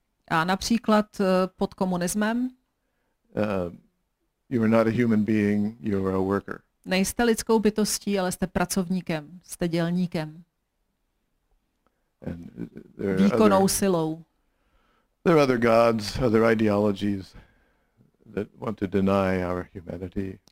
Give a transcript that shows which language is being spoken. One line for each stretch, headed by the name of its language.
Czech: A například pod komunismem.
English: You are not a human being, you are a worker.
Czech: Nejste lidskou bytostí, ale jste pracovníkem, jste dělníkem.
English: And there are
Czech: výkonnou
English: other,
Czech: silou.
English: There are other gods, other ideologies that want to deny our humanity.